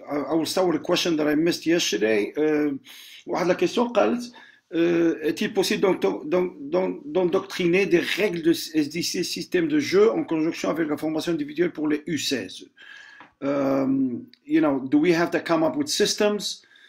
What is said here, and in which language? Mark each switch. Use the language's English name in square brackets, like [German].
[English] I will start with a question that I missed yesterday. [Arabic] واحد لا كيسيون قالت [French] est-il possible d'endoctriner des règles de SDC système de jeu en conjonction avec la formation individuelle pour les U16? [English] You know, do we have to come up with systems?